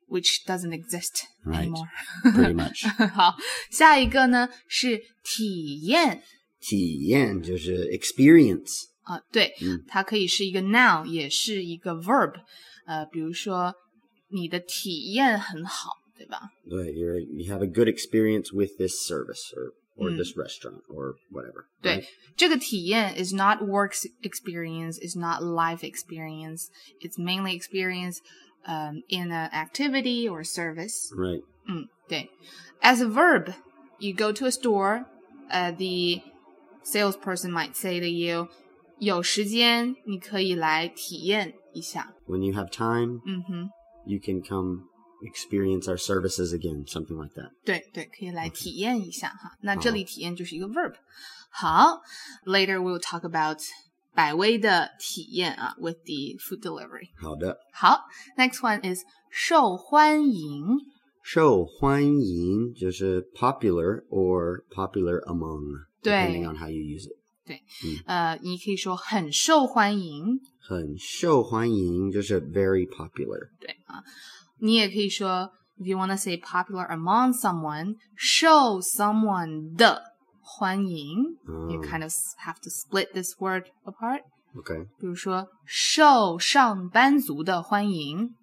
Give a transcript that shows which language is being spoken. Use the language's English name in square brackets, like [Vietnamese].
[English] Which doesn't exist anymore. Right, pretty much. [Chinese] 好,下一个呢是体验。体验就是 experience. 对,它可以是一个 noun, 也是一个 verb. 比如说你的体验很好,对吧? [English] 对, you have a good experience with this service or this restaurant, or whatever. [Chinese] 对, [English] right? [Chinese] 这个体验 [English] is not work experience, is not life experience. It's mainly experience in an activity or service. Right. 对.As a verb, you go to a store, the salesperson might say to you, [Chinese] 有时间你可以来体验一下。 [English] When you have time, you can come... experience our services again, something like that. [Chinese] 对对可以来体验一下哈。那这里体验就是一个 verb. [English] 好 later we'll talk about [Chinese] 百威的体验啊 [English] with the food delivery. [Chinese] 好的。 [English] 好 next one is 受欢迎。 [Chinese] 受欢迎就是 [English] popular or popular among. depending on how you use it. [Chinese] 对、嗯、你可以说很受欢迎。很受欢迎就是 [English] very popular. 对、 [Chinese] 你也可以说 [English] if you want to say popular among someone, 受 someone 的欢迎、You kind of have to split this word apart. Okay. [Chinese] 比如说受上班族的欢迎。